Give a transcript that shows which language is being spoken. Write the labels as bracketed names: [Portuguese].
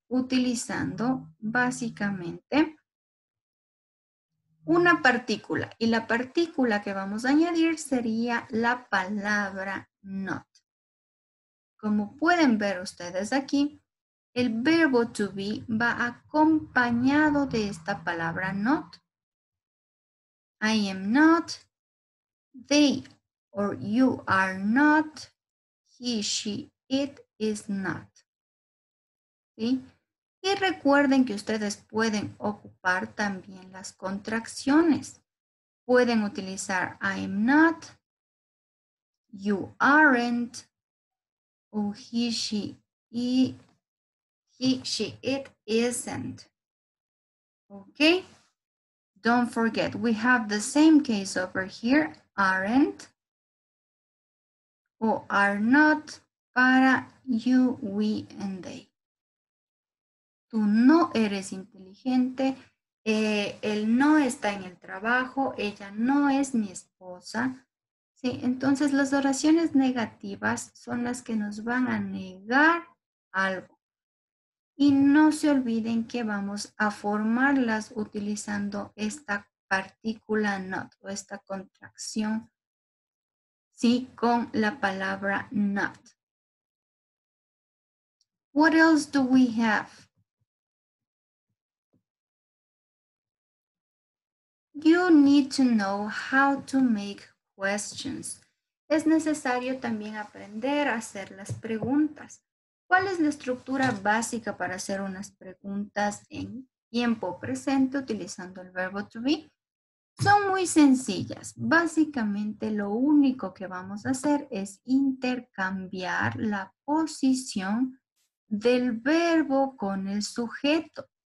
[Spanish] utilizando básicamente una partícula. Y la partícula que vamos a añadir sería la palabra not. Como pueden ver ustedes aquí, el verbo to be va acompañado de esta palabra not. [English] I am not, they or you are not, he, she, it is not. [Spanish] ¿Sí? Y recuerden que ustedes pueden ocupar también las contracciones. Pueden utilizar [English] I am not, you aren't, o he, she, it isn't. [Spanish] ¿Ok? [English] Don't forget, we have the same case over here, aren't o are not para you, we, and they. [Spanish] Tú no eres inteligente, él no está en el trabajo, ella no es mi esposa. ¿Sí? Entonces las oraciones negativas son las que nos van a negar algo. Y no se olviden que vamos a formarlas utilizando esta partícula not o esta contracción, sí, con la palabra not. [English] What else do we have? You need to know how to make questions. [Spanish] Es necesario también aprender a hacer las preguntas. ¿Cuál es la estructura básica para hacer unas preguntas en tiempo presente utilizando el verbo to be? Son muy sencillas. Básicamente lo único que vamos a hacer es intercambiar la posición del verbo con el sujeto.